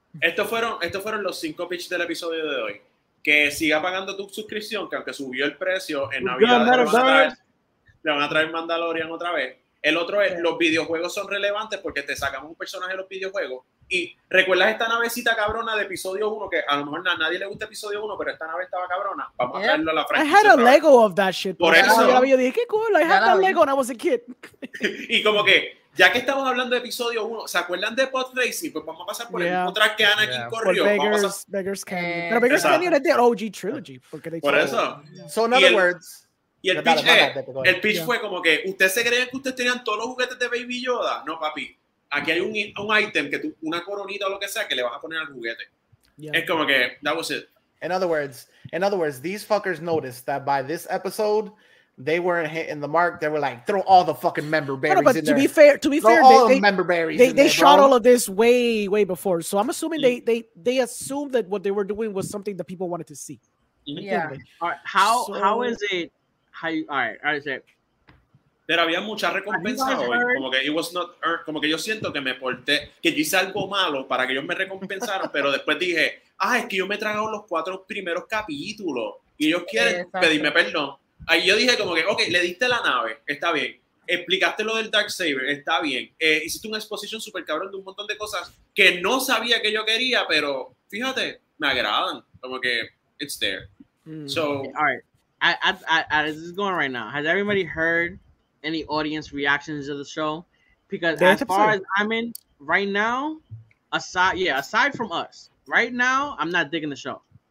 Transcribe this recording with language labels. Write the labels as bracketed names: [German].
[Spanish] Estos fueron los 5 pitch del episodio de hoy. Que siga pagando tu suscripción, que aunque subió el precio en Navidad, le van a traer Mandalorian otra vez. El otro es, los videojuegos son relevantes porque te sacan un personaje de los videojuegos. Y recuerdas esta navecita cabrona de episodio 1, que a lo mejor a nadie le gusta episodio 1, pero esta nave estaba cabrona. Vamos a traerlo a la franquicia. [English] I had a Lego of that shit. [Spanish] Por eso. Yo dije, qué cool, [English] I had that Lego when I was a kid. [Spanish] Y como que... Ya que estamos hablando de episodio 1, ¿se acuerdan de Pod Racing? Pues vamos a pasar por el track que Anakin corrió. Beggar's Canyon. Pero Beggar's Canyon es de OG Trilogy. Porque por eso. [English] So, in other words... [Spanish] Y el pitch, el pitch fue como que, ¿ustedes se creen que ustedes tenían todos los juguetes de Baby Yoda? No, papi. Aquí hay un item, una coronita o lo que sea, que le vas a poner al juguete. [English] Yeah. [Spanish] Es como que, [English] that was it. In other words, these fuckers noticed that by this episode, they weren't hitting the mark. They were like, throw all the fucking member berries in there. To be fair, they shot all of this way, way before. So I'm assuming they assumed that what they were doing was something that people wanted to see. Yeah. All right. [Spanish] Pero había mucha recompensa hoy. Como que [English] it was not earned. [Spanish] Como que yo siento que me porté, que yo hice algo malo para que ellos me recompensaran, pero después dije, ah, es que yo me he tragado los cuatro primeros capítulos y ellos quieren pedirme perdón. Ahí yo dije como que, ok, le diste la nave, está bien. Explicaste lo del Darksaber, está bien. Hiciste una exposición súper cabrón de un montón de cosas que no sabía que yo quería, pero fíjate, me agradan. Como que, [English] it's there. So, okay, all right. This is going right now. Has everybody heard any audience reactions to the show? Because as far as I'm in, right now, aside from us, right now, I'm not digging the show.